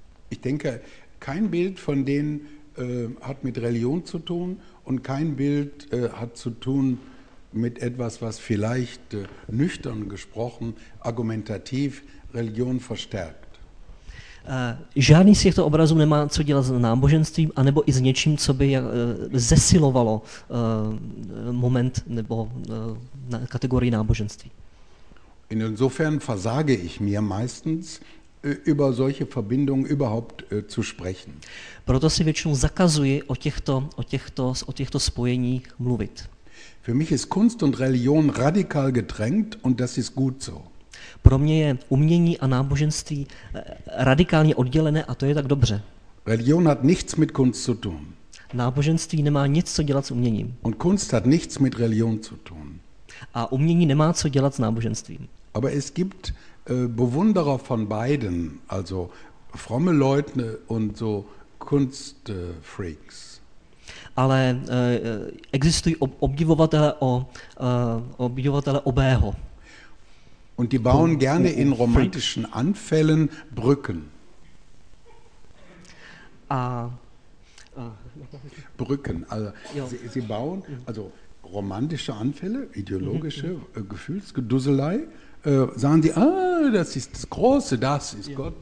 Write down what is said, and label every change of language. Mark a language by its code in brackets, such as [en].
[de] Ich denke, kein Bild von denen hat mit Religion zu tun und kein Bild hat zu tun mit etwas, was vielleicht nüchtern gesprochen, argumentativ Religion verstärkt. [cs] Žádný z těchto obrazů nemá co dělat s náboženstvím, anebo i s něčím, co by zesilovalo moment nebo kategorii náboženství. [de] Insofern versage ich mir meistens, über solche Verbindungen überhaupt zu sprechen. [cs] Proto si většinou zakazuji o těchto spojeních mluvit. [de] Für mich ist Kunst und Religion radikal getrennt und das ist gut so. [cs] Pro mě je umění a náboženství radikálně oddělené a to je tak dobře. [de] Religion hat nichts mit Kunst zu tun. [cs] Náboženství nemá nic co dělat s uměním. [de] Und Kunst hat nichts mit Religion zu tun. [cs] A umění nemá co dělat s náboženstvím. [de] Aber es gibt Bewunderer von beiden, also fromme Leute und so Kunstfreaks. [cs] Ale existují obdivovatele obého. [de] Und die bauen gerne in romantischen Anfällen Brücken. Brücken, also sie bauen also romantische Anfälle, ideologische Gefühlsgeduselei, sagen sie, ah, das ist das Große, das ist Gott.